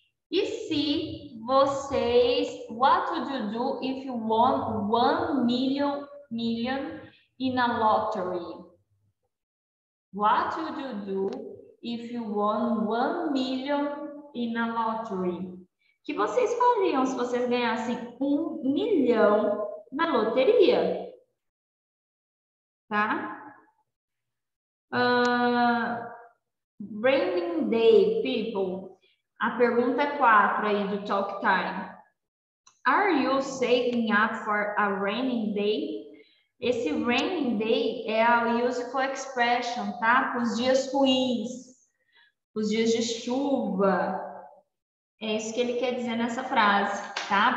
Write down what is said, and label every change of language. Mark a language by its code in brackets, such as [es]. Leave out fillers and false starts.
[pt] E se vocês, [en] what would you do if you won $1 million in a lottery? What would you do if you won $1 million in a lottery? [pt] O que vocês fariam se vocês ganhassem $1 million na loteria? Tá? [en] Branding day, people. [pt] A pergunta 4 aí do Talk Time. [en] Are you saving up for a rainy day? [pt] Esse rainy day é a [en] useful expression, [pt] tá? Para os dias ruins, os dias de chuva. É isso que ele quer dizer nessa frase, tá?